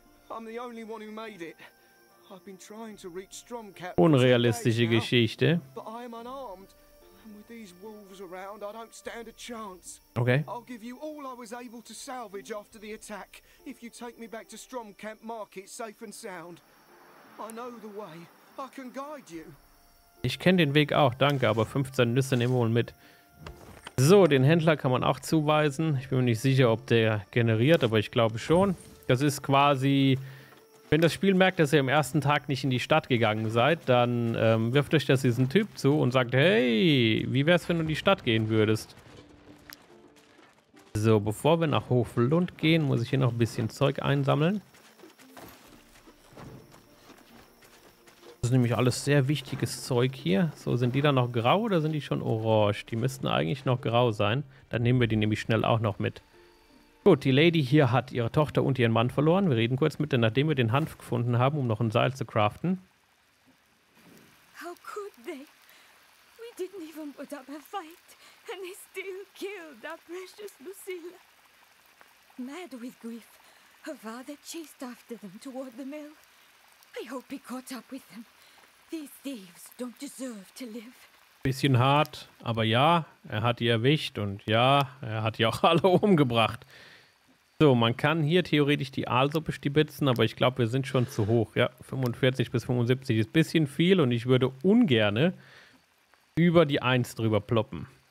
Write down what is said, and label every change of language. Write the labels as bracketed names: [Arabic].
[English] I'm the only one who made it. I've been trying to reach Stromcat. [German] Unrealistische Geschichte. [English] But I am unarmed. And with these wolves around, I don't stand a chance. Okay. I'll give you all I was able to salvage after the attack, if you take me back to Stromcat Market safe and sound. I know the way. I can guide you. [German] Ich kenne den Weg auch, danke, aber 15 Nüsse nehmen wir wohl mit. So, den Händler kann man auch zuweisen. Ich bin mir nicht sicher, ob der generiert, aber ich glaube schon. Das ist quasi, wenn das Spiel merkt, dass ihr am ersten Tag nicht in die Stadt gegangen seid, dann wirft euch das diesen Typ zu und sagt, hey, wie wär's, wenn du in die Stadt gehen würdest? So, bevor wir nach Hoflund gehen, muss ich hier noch ein bisschen Zeug einsammeln. Das ist nämlich alles sehr wichtiges Zeug hier. So, sind die da noch grau oder sind die schon orange? Die müssten eigentlich noch grau sein. Dann nehmen wir die nämlich schnell auch noch mit. Gut, die Lady hier hat ihre Tochter und ihren Mann verloren. Wir reden kurz mit ihr, nachdem wir den Hanf gefunden haben, um noch ein Seil zu craften. [English] How could they? We didn't even put up a fight. And they still killed our precious Lucilla. Mad with grief, her father chased after them toward the mill. I hope he caught up with them. These thieves don't deserve to live. [German] Bisschen hart, aber ja, er hat die erwischt und ja, er hat die auch alle umgebracht. So, man kann hier theoretisch die Aalsuppe stibitzen, aber ich glaube, wir sind schon zu hoch. Ja, 45 bis 75 ist ein bisschen viel und ich würde ungerne über die 1 drüber ploppen.